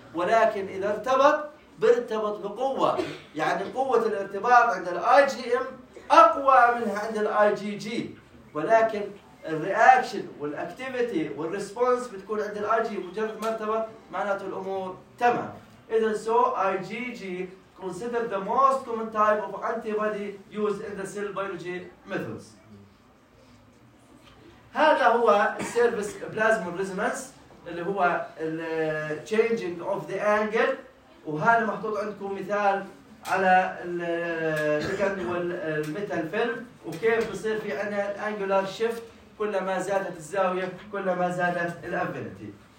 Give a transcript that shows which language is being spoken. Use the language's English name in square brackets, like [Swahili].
[Arabic] ولكن إذا ارتبط بيرتبط بقوة، يعني قوة الارتباط عند IgM أقوى منها عند IgG. ولكن الرياكشن والاكتيفيتي والريسبونس بتكون عند IgG مجرد ما ارتبط، معناته الأمور تمام. إذا [English] so IgG considered the most common type of antibody used in the cell biology methods. [Arabic] هذا هو السيرفيس بلازما ريزونانس اللي هو التشينجينج اوف ذا انجل، وهذا محطوط عندكم مثال على الليجند والميتال فيلم وكيف بصير في عنا الانجولار شيفت، كلما زادت الزاويه كلما زادت الافينيتي.